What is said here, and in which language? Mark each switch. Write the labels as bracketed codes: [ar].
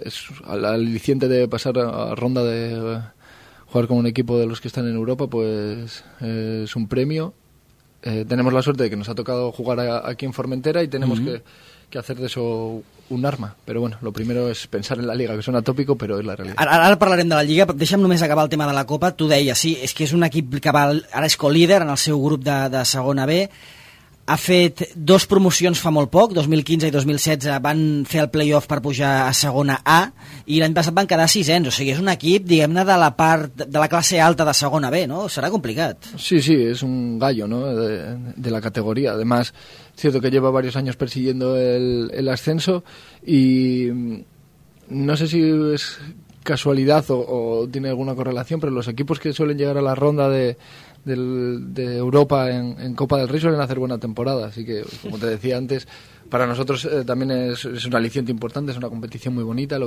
[es] Es al aliciente de pasar a ronda de jugar con un equipo de los que están en Europa, pues es un premio. Tenemos la suerte de que nos ha tocado jugar aquí en Formentera y tenemos que hacer de eso un arma. Pero bueno, lo primero es pensar en la Liga, que suena tópico, pero es la realidad. [ca] Ara parlarem de la Liga, però deixa'm només acabar el tema de la Copa. Tu deies, sí, és que és un equip que ara és co-líder en el seu grup de segona B. Ha fet dos promocions fa molt poc, 2015 i 2016, van fer el playoff per pujar a segona A, i l'any passat van quedar sisens, o sigui, és un equip, diguem-ne, de la part de la classe alta de segona B, no? Serà complicat. Sí, sí, és un gallo, no?, de la categoria. [es] Además, es cierto que lleva varios años persiguiendo el ascenso, y no sé si es casualidad o tiene alguna correlación, pero los equipos que suelen llegar a la ronda de Europa en Copa del Rey suelen hacer buena temporada, así que, como te decía antes, para nosotros también es un aliciente importante, es una competición muy bonita.